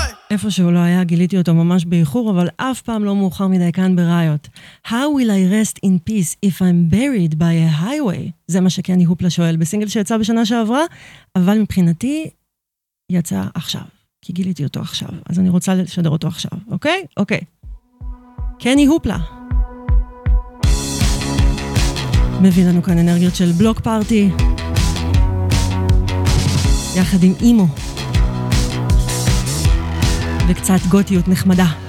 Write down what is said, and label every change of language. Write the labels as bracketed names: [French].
[Hebrew] איפה שהוא לא היה, גיליתי אותו ממש באיחור, אבל אף פעם לא מאוחר מדי כאן בריות. [English] How will I rest in peace if I'm buried by a highway? [Hebrew] זה מה שקני הופלה שואל בסינגל שיצא בשנה שעברה, אבל מבחינתי יצא עכשיו, כי גיליתי אותו עכשיו, אז אני רוצה לשדר אותו עכשיו, אוקיי? אוקיי. קני הופלה. מביא לנו כאן אנרגיות של בלוק פארטי, יחד עם אימו, וקצת גותיות נחמדה.